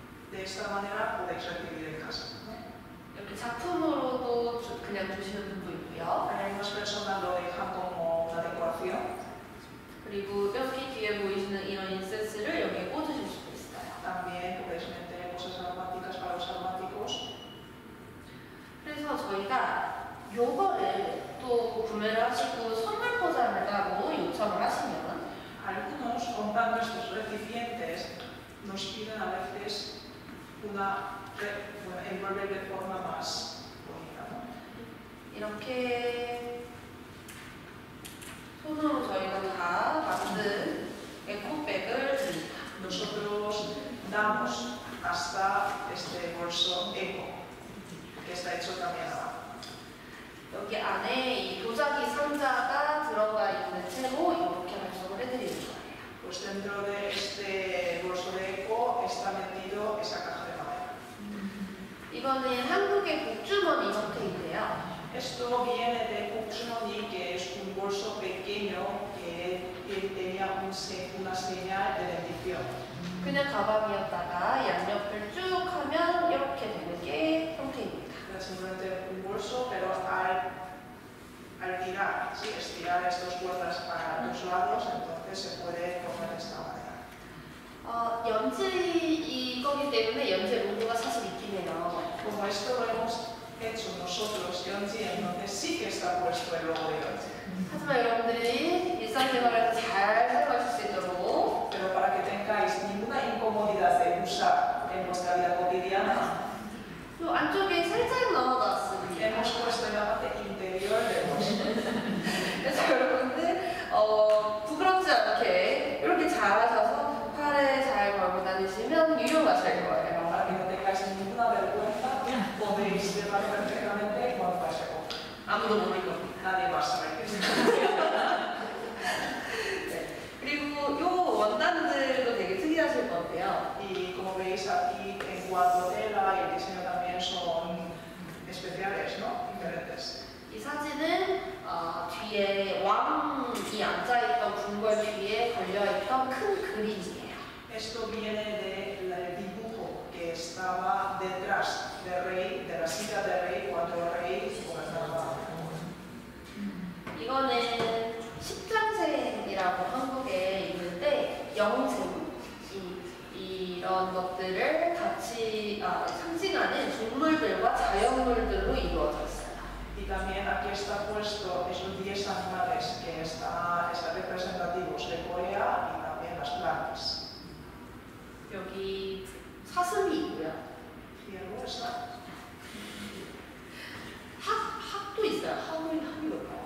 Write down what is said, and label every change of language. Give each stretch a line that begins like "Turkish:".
Spanish: De esta manera podéis recibir en casa.
Korean: 이렇게 작품으로도 그냥 주시는 분도 있고요.
Spanish: Algunas personas lo dejan como una decoración.
Korean: 그리고 여기 뒤에 보이시는 이런 인센스를 여기에 꽂으실 수도 있어요.
Spanish: También podéis meter cosas aromáticas para los aromáticos.
Korean: 그래서 저희가 요거를 또 구매를 하시고 선물 포장하다고 요청을 하시면
Spanish: Algunos compran estos recipientes nos piden a veces una envolver de forma más bonita.
Korean: 이렇게 손으로 저희가 다 만든 에코백을 드립니다.
Spanish: Nosotros damos hasta este bolso eco que está hecho también a
Korean: 여기 안에 이 도자기 상자가 들어가 있는 채로 이렇게 발송을 해드리는 거예요.
Spanish: Pues dentro de este bolso de eco está metido esa caja de madera.
Korean: 이거는 한국의 복주머니 형태인데요.
Spanish: Esto viene de 복주머니, que es un bolso pequeño que tenía una señal de bendición.
Korean: 그냥 가방이었다가 양옆을 쭉 하면 이렇게 되는 게 형태입니다.
Spanish: Simplemente un bolso, pero al tirar, sí, estirar estas cuerdas para los lados, entonces se puede coger esta madera.
Korean: 연지 거기 때문에 연지 로고가 사실 있긴 해요.
Spanish: Como esto lo hemos hecho nosotros, 연지, entonces sí que está puesto el logo de 연지.
Korean: 하지만 여러분들이 일상생활에서 잘 사용하실 수 있도록.
Spanish: Pero para que tengáis ninguna incomodidad de usar en vuestra vida cotidiana,
Korean: 또 안쪽에 살짝 넣어놨습니다.
Spanish: Hemos puesto en la parte interior del bolso.
Korean: 그래서 여러분들 부끄럽지 않게 이렇게 잘하셔서 팔에 잘 걸고 다니시면 유용하실 거예요.
Spanish: Para que no tengáis ninguna vergüenza, podéis llevar perfectamente cuando vais a comer.
Korean: 아무도 모르고.
Spanish: Nadie va a saber que sea.
Korean: 그리고 요 원단들도 되게 특이하실 건데요.
Spanish: Y como veis aquí, en cuanto tela y el diseño también son especiales, ¿no? Diferentes.
Korean: 이 사진은 뒤에 왕이 앉아 있던 궁궐 뒤에 걸려 있던 큰 그림이에요.
Spanish: Esto viene del dibujo que estaba detrás del rey, de la silla del rey cuando el rey gobernaba.
Korean: 이거는 십장생이라고 한국에 있는데 영생. 이런 것들을 같이 상징하는 동물들과 자연물들로 이루어졌어요.
Spanish: Y también aquí está puesto esos 10 animales que están representativos de Corea y también las plantas.
Korean: 여기 사슴이 있고요.
Spanish: Ciervo está.
Korean: 학도 있어요. 학은 학이었나?